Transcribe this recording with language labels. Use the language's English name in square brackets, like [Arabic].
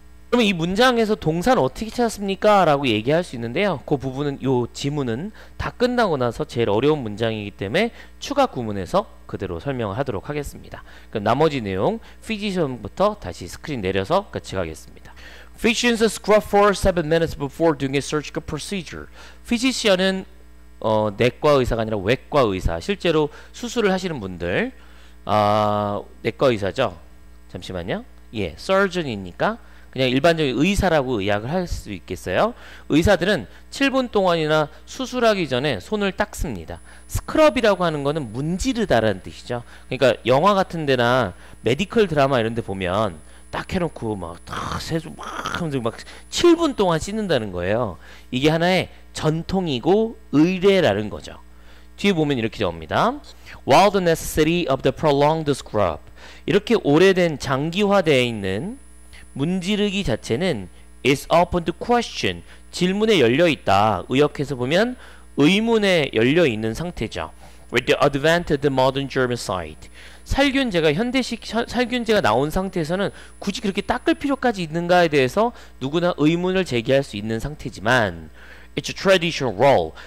[Korean] 그러면 이 문장에서 동사는 어떻게 찾았습니까? 라고 얘기할 수 있는데요. 그 부분은 이 지문은 다 끝나고 나서 제일 어려운 문장이기 때문에 추가 구문에서 그대로 설명하도록 하겠습니다. 그럼 나머지 내용 피지션부터 다시 스크린 내려서 같이 가겠습니다. [English] Physicians scrub for 7 minutes before doing a surgical procedure. [Korean] Physician은 내과 의사가 아니라 외과 의사. 실제로 수술을 하시는 분들. 내과 의사죠. 잠시만요. 예, surgeon이니까 그냥 일반적인 의사라고 의학을 할 수 있겠어요. 의사들은 7분 동안이나 수술하기 전에 손을 닦습니다. 스크럽이라고 하는 거는 문지르다라는 뜻이죠. 그러니까 영화 같은 데나 메디컬 드라마 이런 데 보면 딱 해놓고 막 탁 세수 막 하면서 막 7분 동안 씻는다는 거예요. 이게 하나의 전통이고 의례라는 거죠. 뒤에 보면 이렇게 나옵니다. [English] While the necessity of the prolonged scrub, [Korean] 이렇게 오래된 장기화되어 있는 문지르기 자체는 [English] is open to question, [Korean] 질문에 열려있다. 의역해서 보면 의문에 열려있는 상태죠. [English] With the advent of the modern germicide, [Korean] 살균제가 현대식 살균제가 나온 상태에서는 굳이 그렇게 닦을 필요까지 있는가에 대해서 누구나 의문을 제기할 수 있는 상태지만 [English] It's a traditional role.